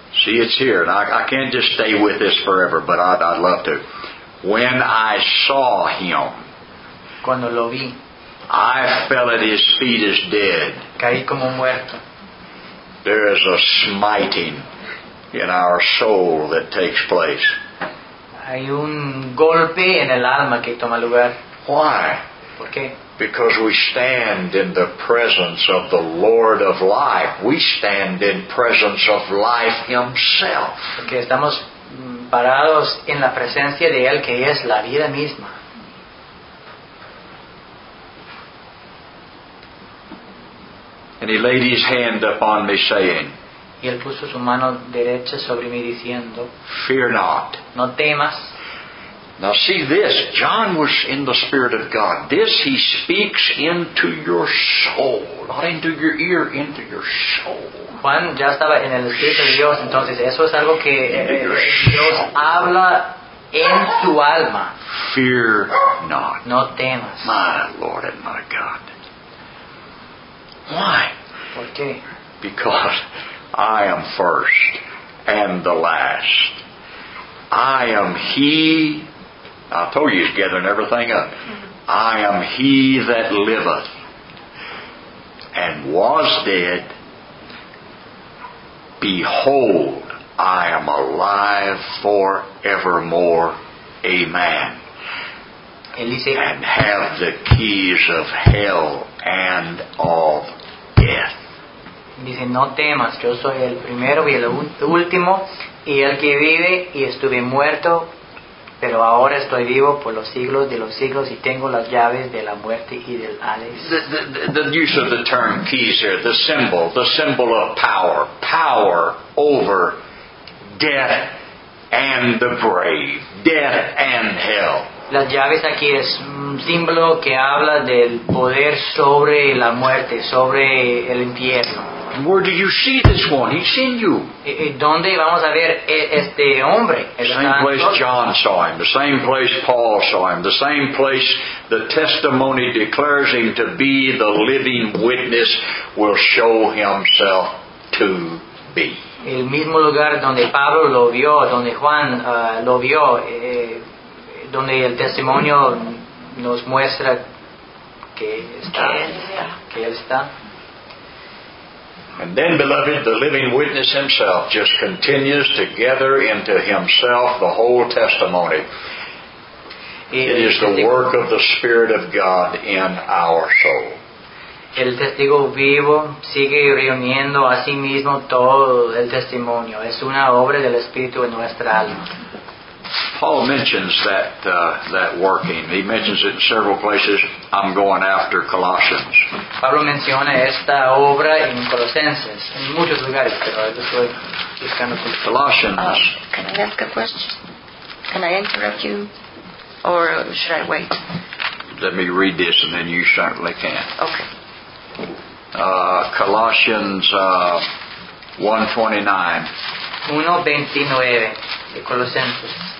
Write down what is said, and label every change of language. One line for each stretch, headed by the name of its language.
English: See, it's here, and I can't just stay with this forever, but I'd love to. When I saw Him,
Spanish: cuando lo vi,
English: I fell at His feet as dead.
Spanish: Caí como muerto.
English: There is a smiting in our soul that takes place.
Spanish: Hay un golpe en el alma que toma lugar.
English: Why?
Spanish: ¿Por qué?
English: Because we stand in the presence of the Lord of life. We stand in presence of life Himself.
Spanish: Porque estamos parados en la presencia de Él que es la vida misma.
English: And he laid his hand upon me, saying,
Spanish: y él puso su mano derecha sobre mí diciendo,
English: fear not.
Spanish: No temas.
English: Now see this, John was in the Spirit of God. This he speaks into your soul, not into your ear, into your soul.
Spanish: Juan ya estaba en el Espíritu de Dios, entonces eso es algo que Dios habla en tu alma.
English: Fear not.
Spanish: No temas.
English: My Lord and my God. Why?
Spanish: ¿Por qué?
English: Because I am first and the last. I am He. I told you he's gathering everything up. I am He that liveth and was dead. Behold, I am alive forevermore. Amen. Elise. And have the keys of hell and of death.
Spanish: Dice, no temas, yo soy el primero y el último, y el que vive, y estuve muerto, pero ahora estoy vivo por los siglos de los siglos, y tengo las llaves de la muerte y del Hades.
English: The use of the term keys here, the symbol of power, power over death and the grave, death and hell.
Spanish: Las llaves aquí es un símbolo que habla del poder sobre la muerte, sobre el infierno.
English: Where do you see this one? He's in you.
Spanish: ¿Dónde vamos a ver este hombre?
English: Same place John saw him, the same place Paul saw him, the same place the testimony declares him to be the living witness will show himself to be.
Spanish: El mismo lugar donde Pablo lo vio, donde Juan lo vio, donde el testimonio nos muestra que está, que él está.
English: And then, beloved, the living witness himself just continues to gather into himself the whole testimony. It is the work of the Spirit of God in our soul.
Spanish: El testigo vivo sigue reuniendo a sí mismo todo el testimonio. Es una obra del Espíritu en nuestra alma.
English: Paul mentions that working. He mentions it in several places. I'm going after Colossians.
Spanish: Pablo menciona esta obra en Colosenses en muchos lugares, pero estoy buscando
English: Colossians. Can I ask a question? Can I interrupt you, or should I wait? let me read this, and then you certainly can. Okay. Colossians 1:29.
Spanish: 1:29 de Colosenses.